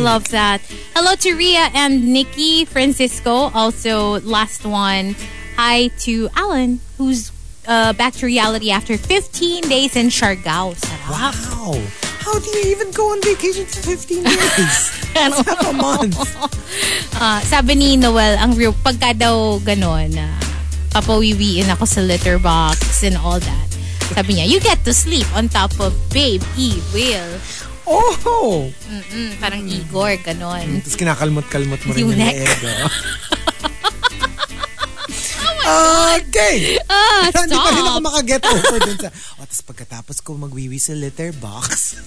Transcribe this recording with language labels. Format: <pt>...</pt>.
<en>I love that. Hello to Rhea and Nikki Francisco. Also, last one. Hi to Alan, who's back to reality after 15 days in Siargao. Wow. How do you even go on vacation for 15 days? Half a month.</en> <tl>Sabi ni Noel, ang real, pagka daw ganun, papawiwiin ako sa litter box</tl> <en>and all that.</en> <tl>Sabi niya,</tl> <en>you get to sleep on top of Babe E. Will. Oh!</en> <tl>Mm-mm, parang Igor, ganun. Tapos kinakalmot-kalmot mo rin yung</tl> <en>neck.</en> <tl>Yung ego.</tl> <en>Okay! Stop!</en> <tl>Hindi pa rin ako makaget over dun sa... O, tapos pagkatapos ko magwiwi sa litter box...</tl>